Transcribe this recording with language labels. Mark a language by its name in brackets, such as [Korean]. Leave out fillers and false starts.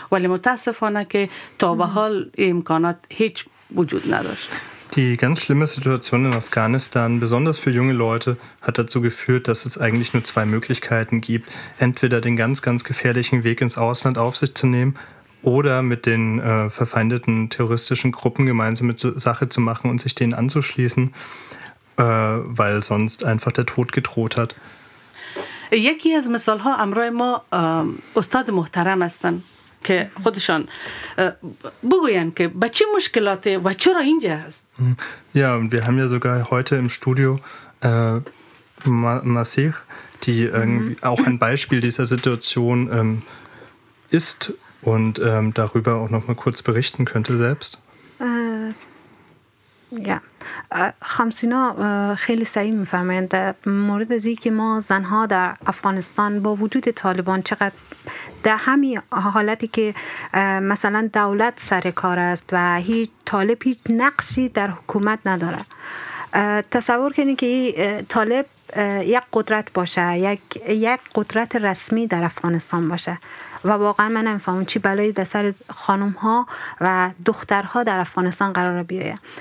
[Persian] ولی متاسفانه که تا به حال امکانات هیچ وجود نداره. [German] Die ganz schlimme Situation in Afghanistan, besonders für junge Leute, hat dazu geführt, dass es eigentlich nur zwei Möglichkeiten gibt, entweder den ganz, ganz gefährlichen Weg ins Ausland auf sich zu nehmen oder mit den verfeindeten terroristischen Gruppen gemeinsame Sache zu machen und sich denen anzuschließen, weil sonst einfach der Tod gedroht hat. [Persian] یکی از مثال ها امروی ما استاد محترم هستن که خودشان بگوین که با چه مشکلات و چرا اینجا هست. [German] Ja, und wir haben ja sogar heute im Studio Masih, die irgendwie auch ein Beispiel dieser Situation ist und darüber auch noch mal kurz berichten könnte selbst. Ja. [Persian] خمسینا خیلی صحیح میفرماین در مورد از این که ما زنها در افغانستان با وجود طالبان چقدر در همین حالتی که مثلا دولت سر کار است و هیچ طالب هیچ نقشی در حکومت نداره، تصور کنید که این طالب یک قدرت باشه، یک قدرت رسمی در افغانستان باشه و واقعا من نمیفهمم چی بلایی در سر خانوم ها و دخترها در افغانستان قرار بیایه.